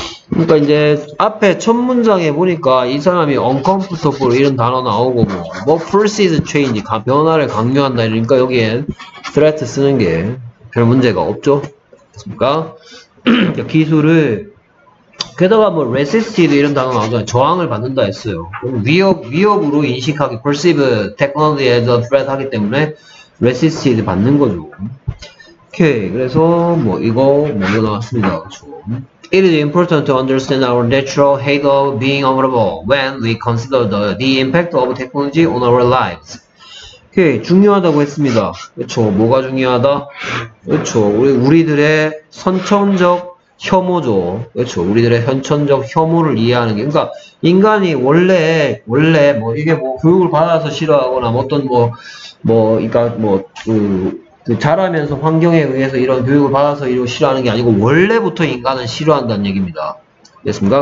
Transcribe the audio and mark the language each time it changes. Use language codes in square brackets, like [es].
[ko] 그러니까 이제 앞에 첫 문장에 보니까 이 사람이 uncomfortable 이런 단어 나오고 뭐 [en] forces change [ko] 변화를 강요한다 이러니까 여기엔 threat 쓰는 게별 문제가 없죠. 그렇습니까? 기술을 게다가 뭐 resisted 이런 단어 나오잖아요. 저항을 받는다 했어요. 위협으로 인식하기, [en] perceive technology as a threat [ko] 하기 때문에 resisted 받는 거죠. 오케이, 그래서 뭐 이거 먼저 나왔습니다. 그렇죠. [en] It is important to understand our natural hate of being vulnerable when we consider the impact of technology on our lives. [ko] 오케이, 중요하다고 했습니다. 그렇죠. 뭐가 중요하다? 그렇죠. 우리들의 선천적 혐오죠. 그렇죠. 우리들의 선천적 혐오를 이해하는 게, 그러니까 인간이 원래 뭐 이게 뭐 교육을 받아서 싫어하거나 어떤 그 자라면서 환경에 의해서 이런 교육을 받아서 이런 싫어하는 게 아니고 원래부터 인간은 싫어한다는 얘기입니다. 됐습니까?